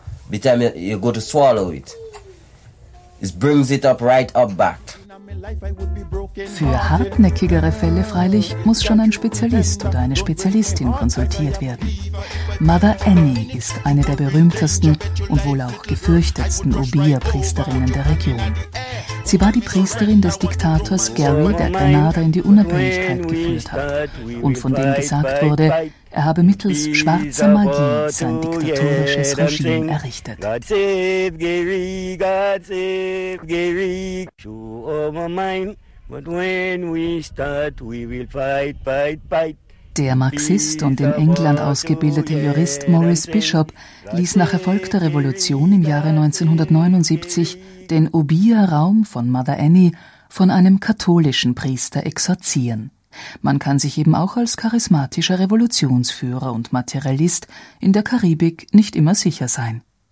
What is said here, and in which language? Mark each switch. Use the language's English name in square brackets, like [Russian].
[English] the time you go to swallow it, it brings it up right up back. [German] Für hartnäckigere Fälle freilich muss schon ein Spezialist oder eine Spezialistin konsultiert werden. Mother Annie ist eine der berühmtesten und wohl auch gefürchtetsten Obeah-Priesterinnen der Region. Sie war die Priesterin des Diktators Gary, der Grenada in die Unabhängigkeit geführt hat und von dem gesagt wurde, er habe mittels schwarzer Magie sein diktatorisches Regime errichtet. [English] God save Gary, show all my mind, but when we start, we will fight, fight, fight. [German] Der Marxist und in England ausgebildete Jurist Maurice Bishop ließ nach erfolgter Revolution im Jahre 1979 den Obeah-Raum von Mother Annie von einem katholischen Priester exorzieren. Man kann sich eben auch als charismatischer Revolutionsführer und Materialist in der Karibik nicht immer sicher sein.